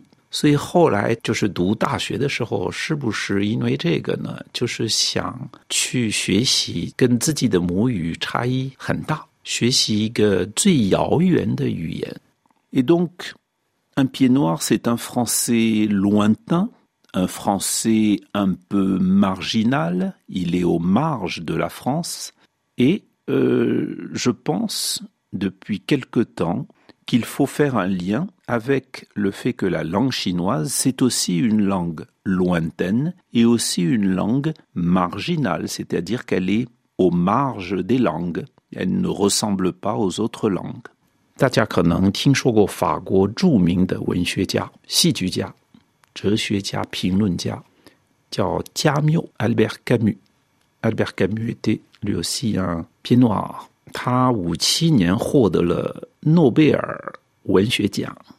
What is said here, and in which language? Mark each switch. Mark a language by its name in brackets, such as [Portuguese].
[Chinese] 所以后来就是读大学的时候，是不是因为这个呢？就是想去学习跟自己的母语差异很大。学习一个最遥远的语言。 [French] Et donc, un pied noir, c'est un français lointain, un français un peu marginal, il est aux marges de la France, et je pense, depuis quelque temps, qu'il faut faire un lien avec le fait que la langue chinoise, c'est aussi une langue lointaine et aussi une langue marginale, c'est-à-dire qu'elle est aux marges des langues. Elle ne ressemble pas aux autres langues. [Chinese] 大家可能听说过法国著名的文学家、戏剧家、哲学家、评论家，叫加缪 ，Albert Camus。 [French] Albert Camus était lui aussi un pied noir. [Chinese] 他1957年获得了诺贝尔文学奖。